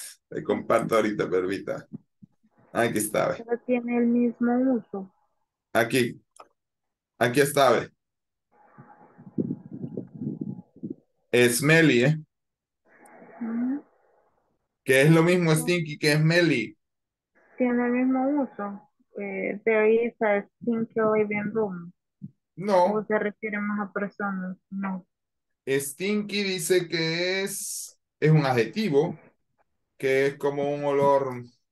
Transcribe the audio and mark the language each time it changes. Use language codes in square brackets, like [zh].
[es] Le comparto ahorita, permita. Aquí está, ve. Pero tiene el mismo uso. Aquí está, ve. [en] Smelly, ¿eh? [es] ¿Qué es lo mismo stinky que smelly? Tiene el mismo uso. [en] There is a stinky living room. No. [es] ¿O se refiere más a personas? No. Stinky dice que es un adjetivo, que es como un olor...